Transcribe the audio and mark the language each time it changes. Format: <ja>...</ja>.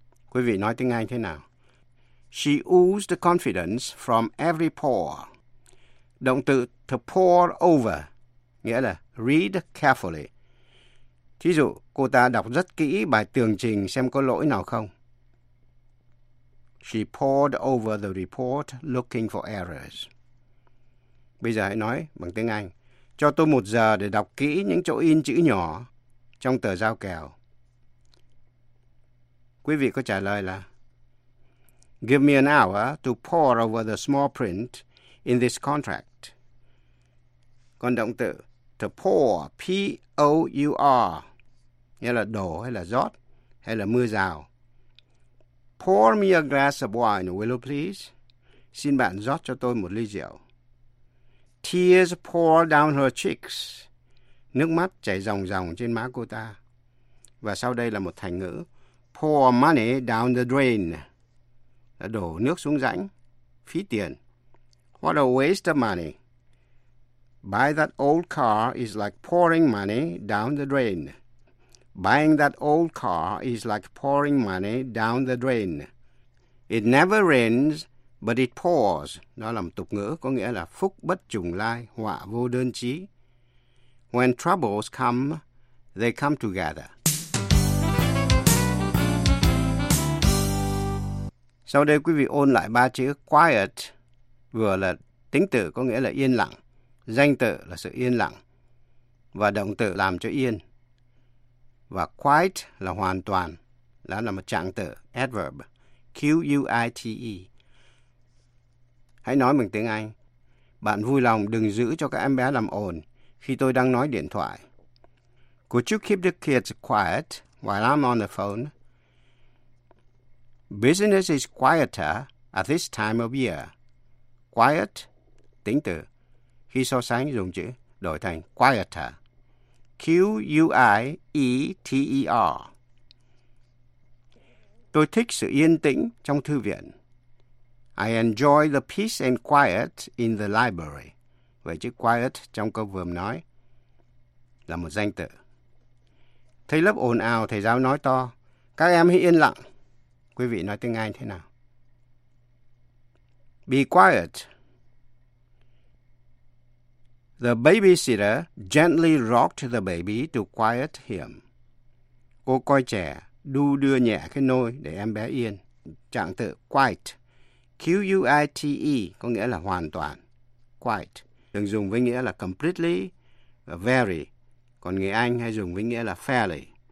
<vi>Quý vị nói tiếng Anh thế nào?</vi> <en>She oozed confidence from every pore.</en> <vi>Động từ to pour over, nghĩa là</vi> <en>read carefully.</en> <vi>Thí dụ, cô ta đọc rất kỹ bài tường trình xem có lỗi nào không.</vi> <en>She pored over the report looking for errors.</en> <vi>Bây giờ hãy nói bằng tiếng Anh. Cho tôi một giờ để đọc kỹ những chỗ in chữ nhỏ trong tờ giao kèo. Quý vị có trả lời là</vi> <en>give me an hour to pore over the small print in this contract.</en> <vi>Còn động từ to pour, P-O-U-R, nghĩa là đổ hay là rót hay là mưa rào.</vi> <en>Pour me a glass of wine, will you please?</en> <vi>Xin bạn rót cho tôi một ly rượu.</vi> <en>Tears pour down her cheeks.</en> <vi>Nước mắt chảy ròng ròng trên má cô ta. Và sau đây là một thành ngữ.</vi> <en>Pour money down the drain.</en> <vi>Là đổ nước xuống rãnh. Phí tiền.</vi> <en>What a waste of money. Buy that old car is like pouring money down the drain. Buying that old car is like pouring money down the drain. It never rains, but it pours.</en> <vi>Đó là một tục ngữ có nghĩa là phúc bất trùng lai, họa vô đơn chí.</vi> <en>When troubles come, they come together.</en> <vi>Sau đây quý vị ôn lại ba chữ quiet, vừa là tính từ có nghĩa là yên lặng, danh từ là sự yên lặng và động từ làm cho yên. Và quite là hoàn toàn, đó là một trạng từ adverb, Q-U-I-T-E. Hãy nói bằng tiếng Anh. Bạn vui lòng đừng giữ cho các em bé làm ồn khi tôi đang nói điện thoại.</vi> <en>Could you keep the kids quiet while I'm on the phone? Business is quieter at this time of year.</en> <vi>Quiet, tính từ. Khi so sánh dùng chữ, đổi thành quieter. Q-U-I-E-T-E-R. Tôi thích sự yên tĩnh trong thư viện.</vi> <en>I enjoy the peace and quiet in the library.</en> <vi>Vậy chữ quiet trong câu vừa nói là một danh từ. Thấy lớp ồn ào, thầy giáo nói to. Các em hãy yên lặng. Quý vị nói tiếng Anh thế nào?</vi> <en>Be quiet. The babysitter gently rocked the baby to quiet him.</en> <vi>Cô coi trẻ đu đưa nhẹ cái nôi để em bé yên. Trạng tự quiet. Q-U-I-T-E có nghĩa là hoàn toàn. Quiet. Thường dùng với nghĩa là completely và very. Còn người Anh hay dùng với nghĩa là fairly.</vi>